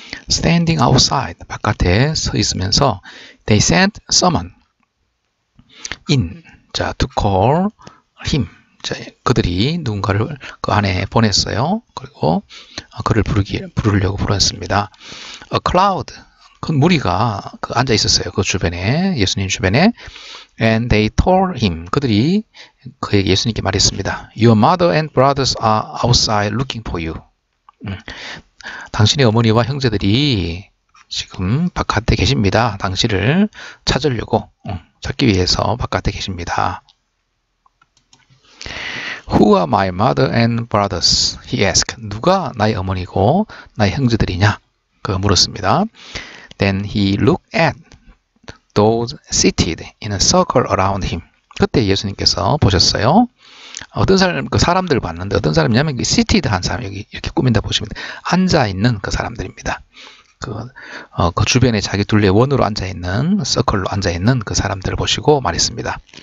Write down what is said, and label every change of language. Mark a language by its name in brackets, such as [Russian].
[English] Standing outside, [Korean] 바깥에 서 있으면서 [English] They sent someone in, [Korean] 자, [English] to call him. [Korean] 자, 그들이 누군가를 그 안에 보냈어요. 그리고 그를 부르려고 불렀습니다. A cloud, 큰 무리가 그 앉아 있었어요. 그 주변에, 예수님 주변에. [English] And they told him, [Korean] 그들이 그에게 예수님께 말했습니다. [English] Your mother and brothers are outside looking for you. [Korean] 당신의 어머니와 형제들이 지금 바깥에 계십니다. 당신을 찾으려고, 찾기 위해서 바깥에 계십니다. [English] Who are my mother and brothers? He asked. [Korean] 누가 나의 어머니고 나의 형제들이냐? 그 물었습니다. [English] Then he looked at those seated in a circle around him. [Korean] 그때 예수님께서 보셨어요. 어떤 사람, 그 사람들 봤는데 어떤 사람이냐면 seated 한 사람, 여기 이렇게 꾸민다 보시면 앉아 있는 그 사람들입니다. 그 주변에 자기 둘레 원으로 앉아 있는, 서클로 앉아 있는 그 사람들을 보시고 말했습니다.